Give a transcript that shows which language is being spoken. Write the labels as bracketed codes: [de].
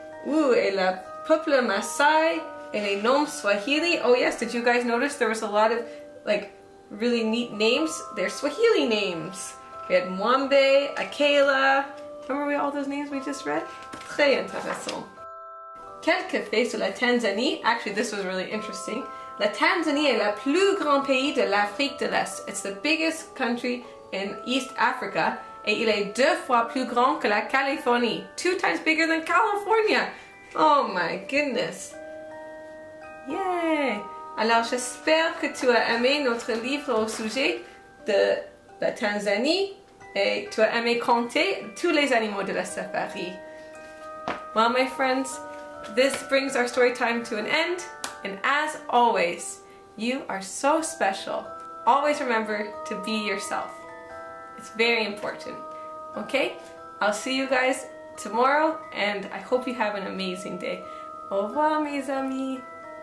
[fr] Ouh, et le peuple Maasai et les noms Swahili. [en] Oh yes, did you guys notice there was a lot of, like, really neat names? They're Swahili names. We had Mwambe, Akela. Remember all those names we just read? [fr] Très intéressant. Quelques faits sur la Tanzanie. [en] Actually, this was really interesting. [fr] La Tanzanie est le plus grand pays de l'Afrique de l'Est. [en] It's the biggest country in East Africa. [fr] Et il est deux fois plus grand que la Californie. [en] Two times bigger than California. Oh my goodness. Yay! [fr] Alors, j'espère que tu as aimé notre livre au sujet de la Tanzanie et tu as aimé compter tous les animaux de la safari. [en] Well, my friends, this brings our story time to an end. And as always, you are so special. Always remember to be yourself. It's very important. Okay? I'll see you guys tomorrow and I hope you have an amazing day. [fr] Au revoir, mes amis!